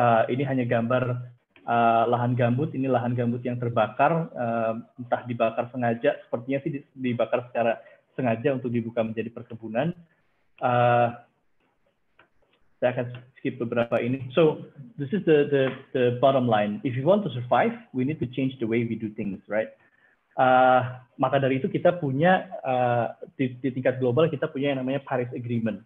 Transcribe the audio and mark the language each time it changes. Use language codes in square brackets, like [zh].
[id] Ini hanya gambar lahan gambut, ini lahan gambut yang terbakar, entah dibakar sengaja, sepertinya sih dibakar secara sengaja untuk dibuka menjadi perkebunan. Saya akan skip beberapa ini. [en] So, this is the bottom line. If you want to survive, we need to change the way we do things, right? [id] Maka dari itu kita punya, di tingkat global kita punya yang namanya Paris Agreement.